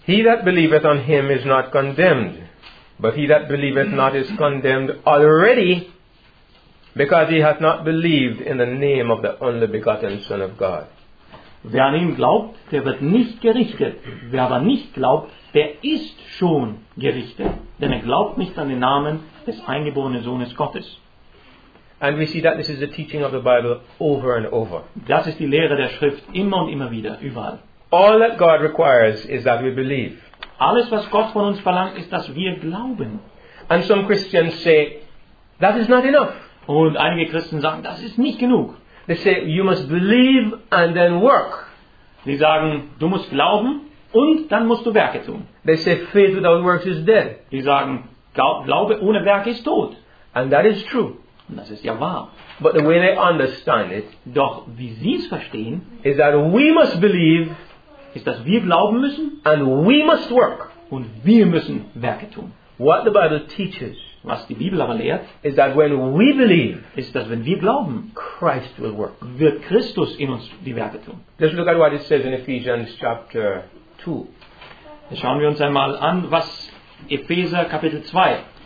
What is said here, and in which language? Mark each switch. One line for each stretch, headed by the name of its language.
English: He that believeth on him is not condemned. But he that believeth not is condemned already, because he hath not believed in the name of the only begotten Son of God.
German: Wer an ihn glaubt, der wird nicht gerichtet. Wer aber nicht glaubt, der ist schon gerichtet. Denn er glaubt nicht an den Namen des eingeborenen Sohnes Gottes.
English: And we see that this is the teaching of the Bible over and over.
German: Das ist die Lehre der Schrift immer und immer wieder, überall.
English: All that God requires is that we believe.
German: Alles, was Gott von uns verlangt, ist, dass wir glauben.
English: And some Christians say, that is not enough.
German: Und einige Christen sagen, das ist nicht genug.
English: They say, you must believe and then work.
German: Sie sagen, du musst glauben und dann musst du Werke tun.
English: They say, faith without works is dead.
German: Sie sagen, Glaube ohne Werke ist tot.
English: And that is true.
German: Und das ist ja wahr.
English: But the way they understand it,
German: doch wie sie es verstehen,
English: is that we must believe,
German: ist, dass wir glauben müssen,
English: and we must work,
German: und wir müssen Werke tun.
English: What the Bible teaches,
German: was die Bibel aber lehrt,
English: is that when we believe,
German: ist, dass wenn wir glauben,
English: Christ will work,
German: wird Christus in uns die Werke tun.
English: Just look at what it says in Ephesians chapter 2.
German: Schauen wir uns einmal an, was Epheser Kapitel 2